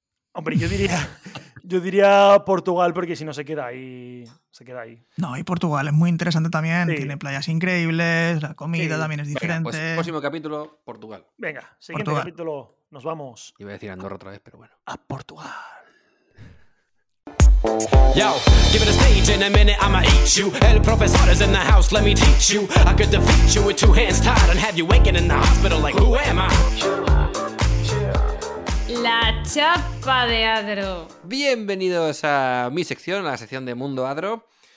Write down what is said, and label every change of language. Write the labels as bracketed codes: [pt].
[es] Hombre, yo diría Portugal, porque si no se queda ahí. No, y Portugal es muy interesante también, sí. Tiene playas increíbles, la comida sí. También es diferente. Venga, pues, próximo capítulo, Portugal. Venga, siguiente Portugal. Capítulo, nos vamos. Iba a decir Andorra otra vez, pero bueno. A Portugal. [en] Yo, give it a stage in a minute, I'ma eat you. [es] El profesor [en] is in the house, let me teach you. I could defeat you with two hands tied and have you waking in the hospital like, who am I? [es] La chapa de Adro. Bienvenidos a mi sección, a la sección de Mundo Adro.